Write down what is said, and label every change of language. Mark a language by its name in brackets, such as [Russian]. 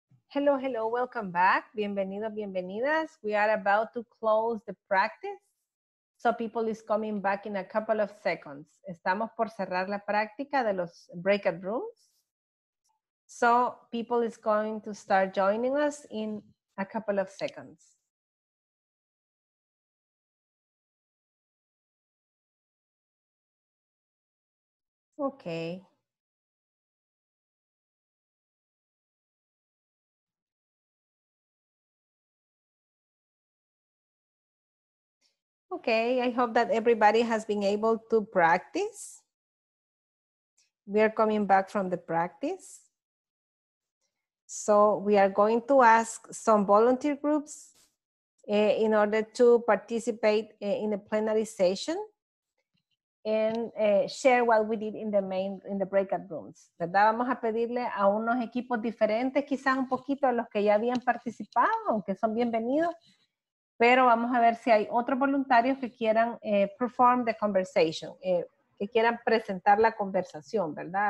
[English] Hello, hello, welcome back. [Spanish] Bienvenidos, bienvenidas. [English] We are about to close the practice. So people is coming back in a couple of seconds. [Spanish] Estamos por cerrar la práctica de los breakout rooms. [English] So people is going to start joining us in a couple of seconds. Okay. Okay, I hope that everybody has been able to practice. We are coming back from the practice. So we are going to ask some volunteer groups in order to participate in the plenary session and share what we did in the breakout rooms. [Spanish] ¿Verdad? Vamos a pedirle a unos equipos diferentes, quizás un poquito a los que ya habían participado, aunque son bienvenidos, pero vamos a ver si hay otros voluntarios que quieran [English] perform the conversation, [Spanish] que quieran presentar la conversación, ¿verdad?